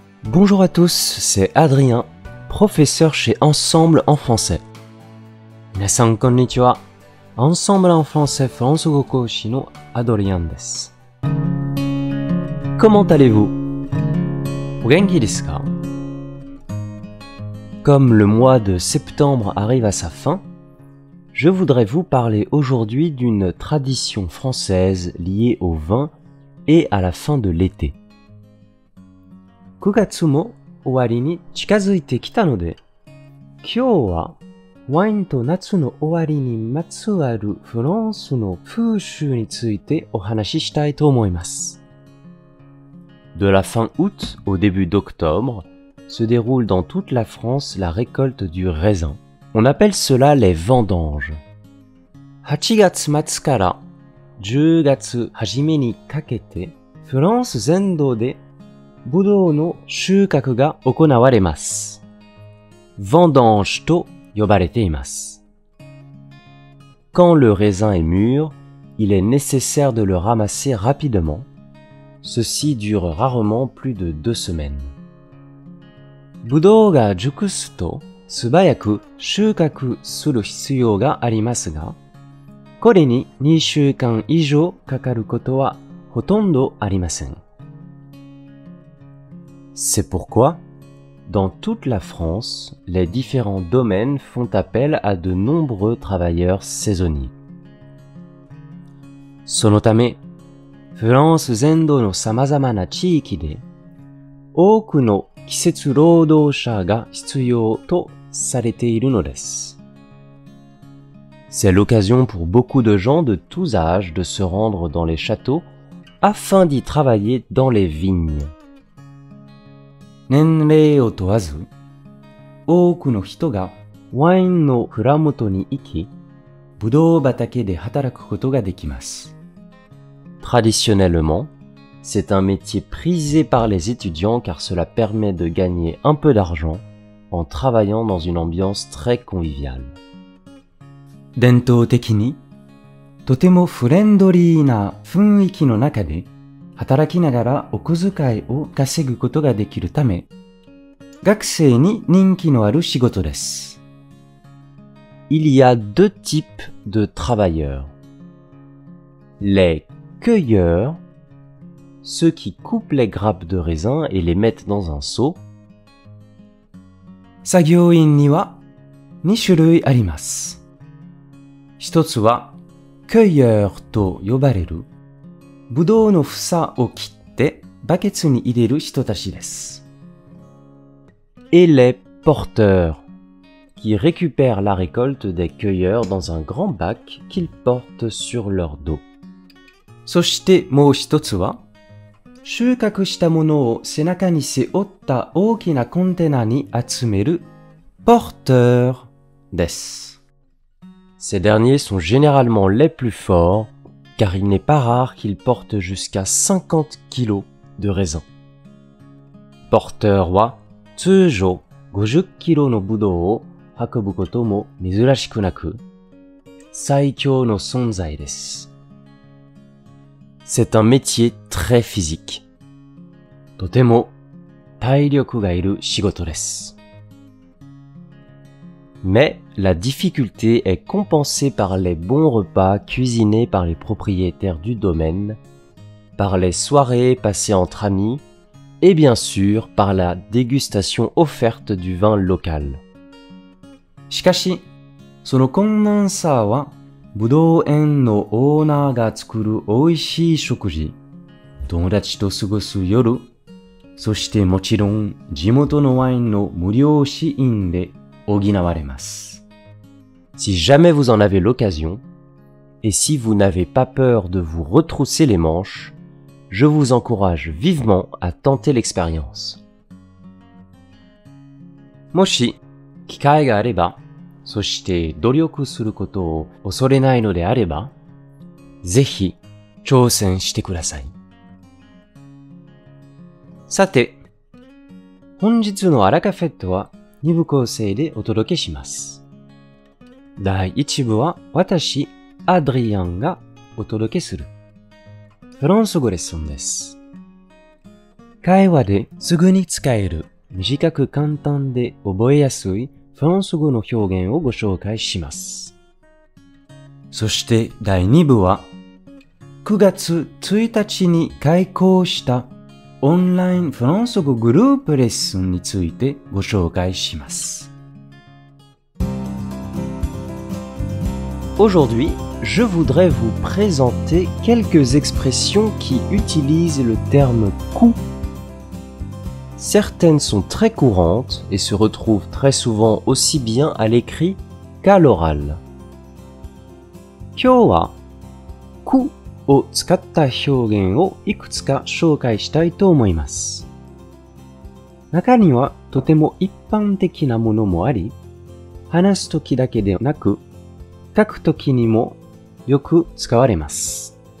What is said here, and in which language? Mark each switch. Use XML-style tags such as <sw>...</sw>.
<fr>Bonjour à tous, c'est Adrien, professeur chez Ensemble en français.</fr> <ja>皆さんこんにちは。 Ensemble en français フランス語講師のアドリアンです。</ja> <fr>Comment allez-vous?</fr> <ja>お元気ですか?</ja> <fr>Comme le mois de septembre arrive à sa fin, je voudrais vous parler aujourd'hui d'une tradition française liée au vin et à la fin de l'été.</fr> <ja>9月も終わりに近づいてきたので、今日はワインと夏の終わりにまつわるフランスの風習についてお話ししたいと思います。</ja> <fr>De la fin août au début d'octobre, se déroule dans toute la France la récolte du raisin. On appelle cela les vendanges.</fr> <ja>8月末から10月初めにかけて、フランス全土でブドウの収穫が行われます。 Vendanges と呼ばれています。</ja> <fr>Quand le raisin est mûr, il est nécessaire de le ramasser rapidement. Ceci dure rarement plus de deux semaines.</fr> <ja>ブドウが熟すと素早く収穫する必要がありますが、これに2週間以上かかることはほとんどありません。</ja> <fr>C'est pourquoi, dans toute la France, les différents domaines font appel à de nombreux travailleurs saisonniers.</fr> <ja>そのためフランス全土の様々な地域で多くの季節労働者が必要とされているのです。</ja> <fr>C'est l'occasion pour beaucoup de gens de tous âges de se rendre dans les châteaux afin d'y travailler dans les vignes.</fr> <ja>年齢を問わず、多くの人がワインの蔵元に行き、ブドウ畑で働くことができます。</ja> <fr>Traditionnellement, c'est un métier prisé par les étudiants car cela permet de gagner un peu d'argent en travaillant dans une ambiance très conviviale.</fr> <ja>伝統的に、とてもフレンドリーな雰囲気の中で、働きながらお小遣いを稼ぐことができるため、学生に人気のある仕事です。</ja> <fr>Il y a deux types de travailleurs. Les cueilleurs, ceux qui coupent les grappes de raisin et les mettent dans un seau.</fr> <ja>作業員には2種類あります。一つは、cueilleur と呼ばれる、ブドウの房を切ってバケツに入れる人たちです。</ja> <fr>Et les porteurs, qui récupèrent la récolte des cueilleurs dans un grand bac qu'ils portent sur leur dos.</fr> <ja>そしてもう一つは、収穫したものを背中に背負った大きなコンテナに集める、ポーターです。</ja> <fr>Ces derniers sont généralement les plus forts, car il n'est pas rare qu'ils portent jusqu'à 50 kg de raisin.</fr> <ja>ポーターは、通常50キロのブドウを運ぶことも珍しくなく、最強の存在です。</ja> <fr>C'est un métier très physique.</fr> <ja>とても体力がいる仕事です。</ja> <fr>Mais la difficulté est compensée par les bons repas cuisinés par les propriétaires du domaine, par les soirées passées entre amis, et bien sûr par la dégustation offerte du vin local.</fr> <ja>しかし、その困難さはブドウ園のオーナーが作る美味しい食事、友達と過ごす夜、そしてもちろん地元のワインの無料試飲で補われます。</ja> <fr>Si jamais vous en avez l'occasion, et si vous n'avez pas peur de vous retrousser les manches, je vous encourage vivement à tenter l'expérience.</fr> <ja>もし、機会があれば、そして努力することを恐れないのであれば、ぜひ挑戦してください。さて、本日のアラカフェットは二部構成でお届けします。第一部は私、アドリアンがお届けするフランス語レッスンです。会話ですぐに使える短く簡単で覚えやすいフランス語の表現をご紹介します。そして第二部は9月1日に開講したオンラインフランス語グループレッスンについてご紹介します。</ja> <fr>Aujourd'hui, je voudrais vous présenter quelques expressions qui utilisent le terme coup. Certaines sont très courantes et se retrouvent très souvent aussi bien à l'écrit qu'à l'oral.</fr> <ja>今日は、coup を使った表現をいくつか紹介したいと思います。中にはとても一般的なものもあり、話すときだけでなく、書くときにもよく使われます。</ja>